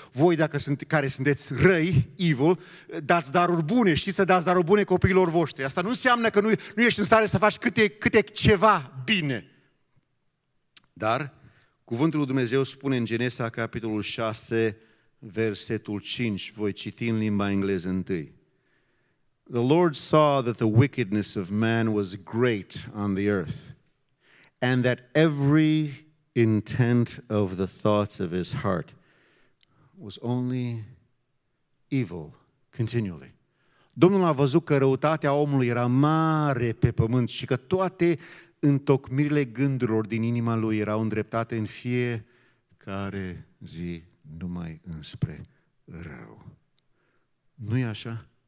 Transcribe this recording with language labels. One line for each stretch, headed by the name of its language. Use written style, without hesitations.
Romanian: Voi, dacă care sunteți răi, evil, dați daruri bune, știți să dați daruri bune copiilor voștri. Asta nu înseamnă că nu ești în stare să faci câte ceva bine. Dar cuvântul lui Dumnezeu spune în Genesa, capitolul 6, versetul 5, voi citi în limba engleză întâi.
English: The Lord saw that the wickedness of man was great on the earth, and that every intent of the thoughts of his heart was only evil continually.
Romanian: Domnul a văzut că răutatea omului era mare pe pământ și că toate întocmirile gândurilor din inima lui erau îndreptate în fiecare zi numai înspre rău. Nu-i așa?